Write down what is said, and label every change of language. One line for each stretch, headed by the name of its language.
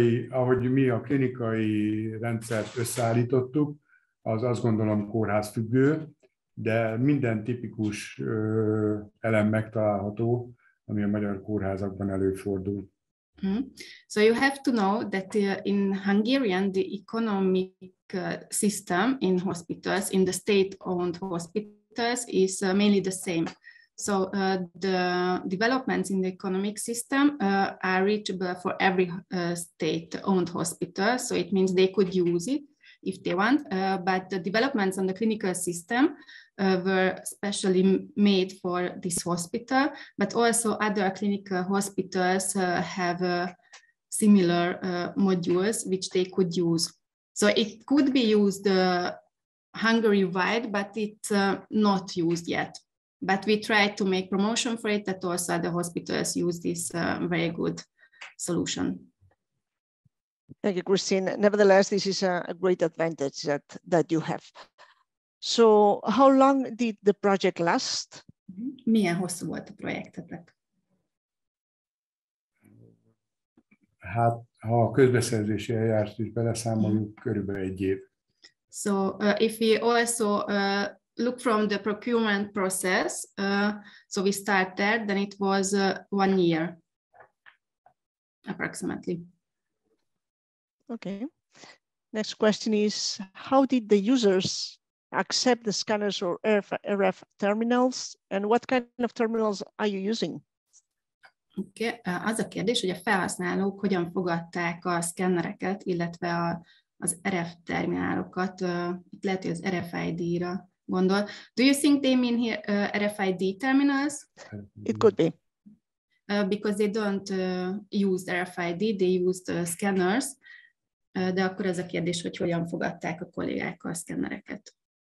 Hungarian: Ahogy mi a klinikai rendszert összeállítottuk, az azt gondolom kórház függő, de minden tipikus elem megtalálható, ami a magyar kórházakban előfordul.
English: So you have to know that in Hungarian, the economic system in hospitals, in the state-owned hospitals, is mainly the same. So the developments in the economic system are reachable for every state-owned hospital. So it means they could use it if they want. But the developments on the clinical system were specially made for this hospital, but also other clinical hospitals have similar modules which they could use. So it could be used Hungary-wide, but it's not used yet. But we try to make promotion for it that also other hospitals use this very good solution. Thank you, Christine. Nevertheless, this is a great advantage that you have. So how long did the project last?
Hungarian: Milyen hosszú volt a projektetek? Hát, ha a közbeszerzési eljárást is beleszámoljuk, körülbelül egy év.
English: So if we also look from the procurement process, so we start there, then it was 1 year, approximately. Okay. Next question is, how did the users accept the scanners or RF terminals, and what kind of terminals are you using?
Hungarian: Okay, az a kérdés, hogy a felhasználók hogyan fogadták a szkennereket, illetve az RF terminálokat, itt lehet, hogy az RFID-ra gondol.
English: Do you think they mean here RFID terminals? It could be. Because they don't use RFID, they used scanners,
Hungarian: de akkor az a kérdés, hogy hogyan fogadták a kollégák a szkennereket.